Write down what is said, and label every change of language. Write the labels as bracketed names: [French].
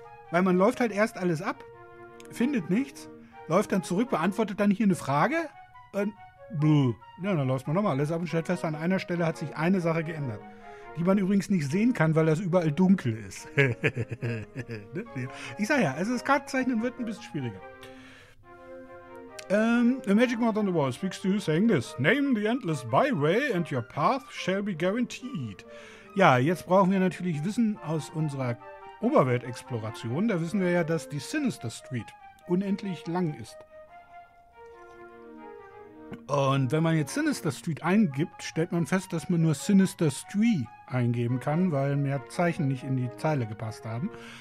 [German] Weil man läuft halt erst alles ab, findet nichts, läuft dann zurück, beantwortet dann hier eine Frage und ja, dann läuft man nochmal alles ab und stellt fest, an einer Stelle hat sich eine Sache geändert. Die man übrigens nicht sehen kann, weil das überall dunkel ist. Ich sag ja, also das Kartenzeichnen wird ein bisschen schwieriger. [English] The magic mouth on the wall speaks to you saying this. Name the endless byway and your path shall be guaranteed. [German] Ja, jetzt brauchen wir natürlich Wissen aus unserer Oberwelt-Exploration. Da wissen wir ja, dass die Sinister Street unendlich lang ist. Und wenn man jetzt Sinister Street eingibt, stellt man fest, dass man nur Sinister Street eingeben kann, weil mehr Zeichen nicht in die Zeile gepasst haben.